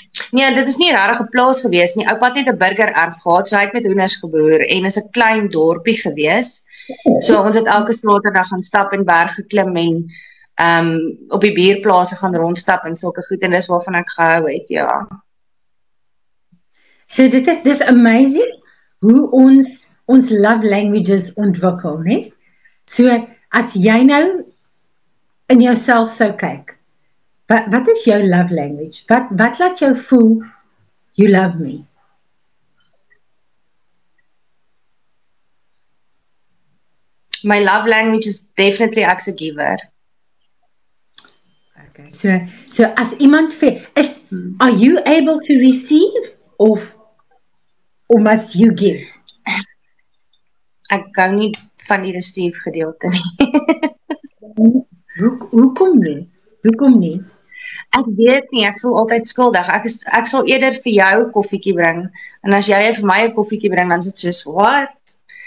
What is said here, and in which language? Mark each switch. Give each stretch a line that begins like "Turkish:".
Afrikaans: Nee, dit is nie een rarige plaas gewees nie, oupa het net 'n burger erf gehad, so hy het met hoenders geboer, en is 'n klein dorpie gewees. So ons het elke saterdag gaan stap en berg geklim en op die bierplase gaan rondstap en sulke goed en dis waarvan ek gehou het, ja. So dit is amazing hoe ons love languages ontwikkel, nee? So as jy nou in jouself sou kyk, wat is jou love language? Wat laat jou voel
English: you love me? My love language is definitely as a giver. Okay.
Afrikaans: So as iemand
English: are you able to receive or must you give?
Afrikaans: Ek kan nie van die receive gedeelte nie. Hoekom nie? Ek weet nie, ek voel altyd skuldig. Ek sal eerder vir jou 'n koffietjie bring en as jy vir my 'n koffietjie bring, dan is dit soos what?